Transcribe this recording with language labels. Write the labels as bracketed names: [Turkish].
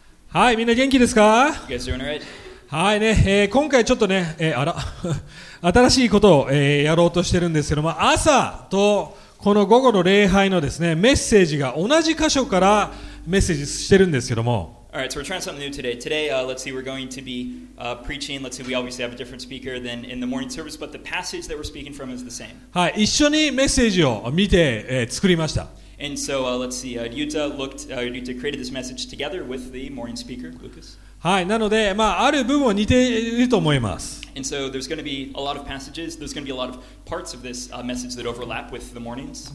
[Japanese] はい、みんな元気ですか？ [English] You guys doing alright? [Japanese] はいね、今回ちょっとね、あら新しいことを、やろうとしてるんですけども、朝とこの午後の礼拝のですね、メッセージが同じ箇所からメッセージしてるんですけども。 [English] Alright, so we're trying something new today. Today, let's see, we're going to be preaching. Let's see, we obviously have a different speaker than in the morning service, but the passage that we're speaking from is the same. [Japanese] はい、一緒にメッセージを見て、作りました。 [English] And so, let's see, Ryuta created this message together with the morning speaker, Lucas. [Japanese] はい、なので、まあ、ある部分は似ていると思います。 [English] And so, there's going to be a lot of passages, there's going to be a lot of parts of this message that overlap with the mornings.